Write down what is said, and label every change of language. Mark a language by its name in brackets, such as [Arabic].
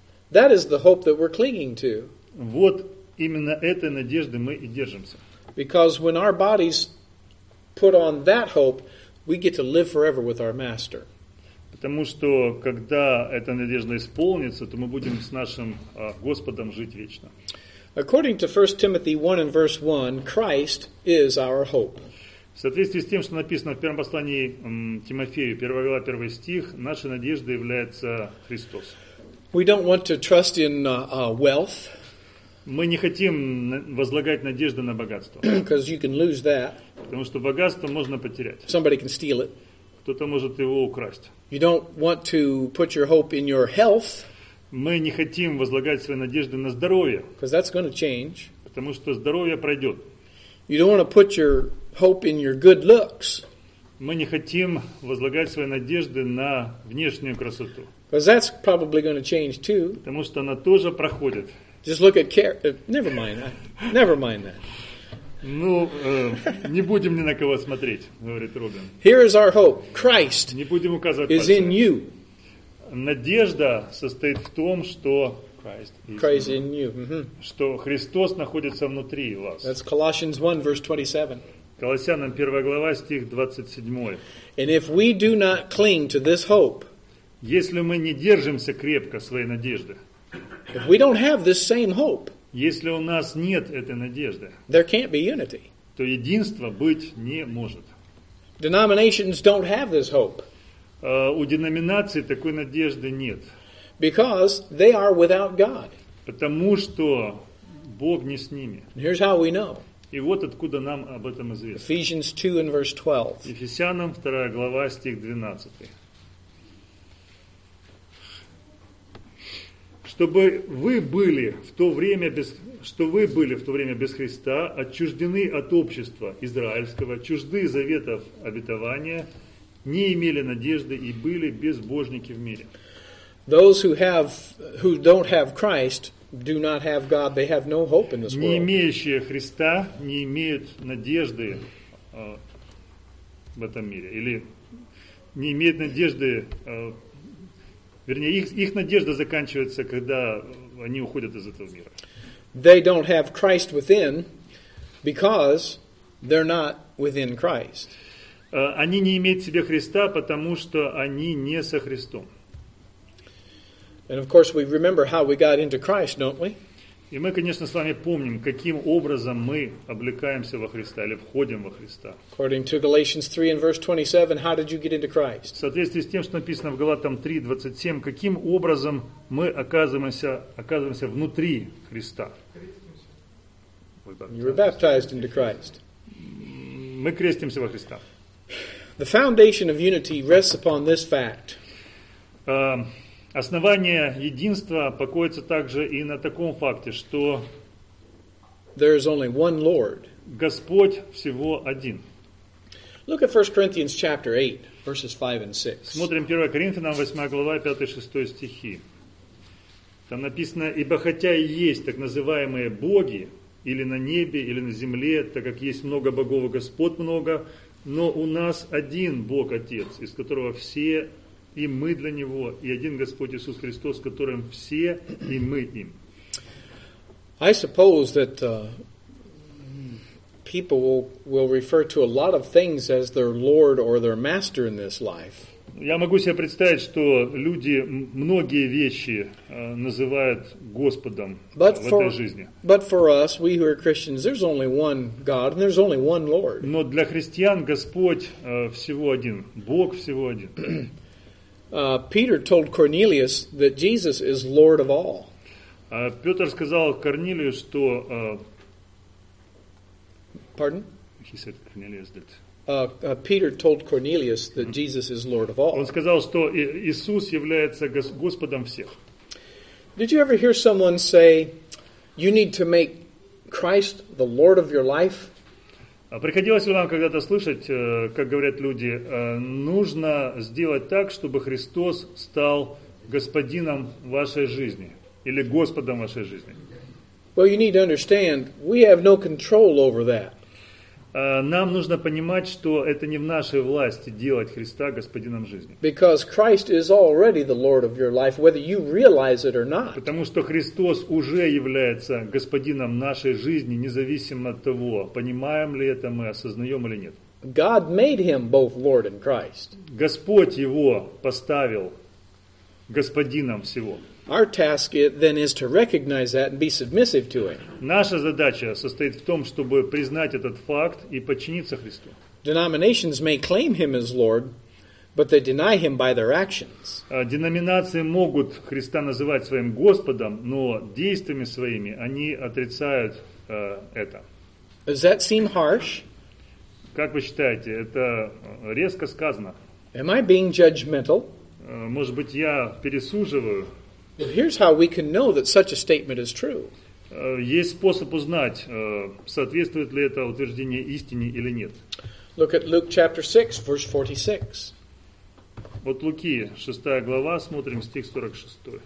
[English] That is the hope that we're clinging to. [Russian] Вот именно этой надежды мы и держимся. [English] Because when our bodies put on that hope, we get to live forever with our master. [Russian] Потому что, когда эта надежда исполнится, то мы будем с нашим Господом жить вечно. [English] According to 1 Timothy 1 and verse 1, Christ is our hope. [Russian] В соответствии с тем, что написано в первом послании Тимофею, 1 глава, 1 стих, наша надежда является Христос. [English] We don't want to trust in wealth. [Russian] Мы не хотим возлагать надежды на богатство. [English] Because you can lose that. [Russian] Потому что богатство можно потерять. [English] Somebody can steal it. [Russian] Кто-то может его украсть. [English] You don't want to put your hope in your health. [Russian] Мы не хотим возлагать свои надежды на здоровье. [English] Because that's going to change. [Russian] Потому что здоровье пройдет. [English] You don't want to put your hope in your good looks. [Russian] Мы не хотим возлагать свои надежды на внешнюю красоту. [English] Because that's probably going to change too. [Russian] Потому что она тоже проходит. [English] Just look at care. Never mind that. [Russian] Ну, не будем ни на кого смотреть, говорит Роган. [English] Here is our hope. Christ [Russian] не будем указывать [English] is in you. [Russian] Надежда состоит в том, что [English] Christ is Christ in you. Mm-hmm. [Russian] Что Христос находится внутри вас. [English] That's Colossians 1, verse 27. [Russian] Колоссянам 1 глава, стих 27. [English] And if we do not cling to this hope, [Russian] если мы не держимся крепко своей надежды, [English] if we don't have this same hope, [Russian] если у нас нет этой надежды, [English] there can't be unity. [Russian] То единство быть не может. [English] Denominations don't have this hope. [Russian] У деноминации такой надежды нет. [English] Because they are without God. [Russian] Потому что Бог не с ними. [English] Here's how we know. [Russian] И вот откуда нам об этом известно. [English] Ephesians 2 and verse 12. [Russian] Ефесянам 2 глава, стих 12. Чтобы вы были в то время без, что вы были в то время без Христа, отчуждены от общества израильского, чужды заветов обетования, не имели надежды и были безбожники в мире. [English] Those who don't have Christ do not have God, they have no hope in this world. [Russian] Не имеющие Христа не имеют надежды в этом мире. Или не имеют надежды. Вернее, их надежда заканчивается, когда они уходят из этого мира. [English] They don't have Christ within because they're not within Christ. [Russian] Они не имеют в себе Христа, потому что они не со Христом. [English] And of course, we remember how we got into Christ, don't we? [Russian] И мы, конечно, с вами помним, каким образом мы облекаемся во Христа или входим во Христа. [English] According to Galatians 3 and verse 27, how did you get into Christ? [Russian] В соответствии с тем, что написано в Галатам 3, 27, каким образом мы оказываемся внутри Христа? [English] You were baptized into Christ. [Russian] Мы крестимся во Христа. [English] The foundation of unity rests upon this fact. [Russian] Основание единства покоится также и на таком факте, что [English] there is only one Lord. [Russian] Господь всего один. [English] Look at 1 Corinthians chapter 8, verses 5 and 6. [Russian] Смотрим 1 Коринфянам 8 глава, 5-6 стихи. Там написано: «Ибо хотя и есть так называемые боги, или на небе, или на земле, так как есть много богов, и Господь много, но у нас один Бог Отец, из которого все и мы для Него, и один Господь Иисус Христос, которым все и мы им». [English] I suppose that people will refer to a lot of things as their Lord or their Master in this life. [Russian] Я могу себе представить, что люди многие вещи называют Господом в этой жизни. [English] But for us, we who are Christians, there's only one God and there's only one Lord. [Russian] Но для христиан Господь всего один, Бог всего один. [English] Peter told Cornelius that Jesus is Lord of all. [Russian] Петр сказал Корнилию, что [English] Pardon? He said Cornelius that. Peter told Cornelius that Jesus is Lord of all. [Russian] Он сказал, что Иисус является Господом всех. [English] Did you ever hear someone say you need to make Christ the Lord of your life? [Russian] Приходилось ли вам когда-то слышать, как говорят люди, нужно сделать так, чтобы Христос стал господином вашей жизни или Господом вашей жизни? [English] Well, you need to understand, we have no control over that. [Russian] Нам нужно понимать, что это не в нашей власти делать Христа господином жизни. [English] Because Christ is already the Lord of your life, whether you realize it or not. [Russian] Потому что Христос уже является господином нашей жизни, независимо от того, понимаем ли это мы, осознаем или нет. [English] God made him both Lord and Christ. [Russian] Господь его поставил господином всего. [English] Our task then is to recognize that and be submissive to it. [Russian] Наша задача состоит в том, чтобы признать этот факт и подчиниться Христу. [English] Denominations may claim him as Lord, but they deny him by their actions. [Russian] Деноминации могут Христа называть своим Господом, но действиями своими они отрицают это. [English] Does that seem harsh? [Russian] Как вы считаете, это резко сказано? [English] Am I being judgmental? [Russian] Может быть, я пересуживаю? [English] Well, here's how we can know that such a statement is true. [Russian] Есть способ узнать, соответствует ли это утверждение истине или нет. [English] Look at Luke chapter 6, verse 46. [Russian] Вот Луки, 6 глава, смотрим стих 46.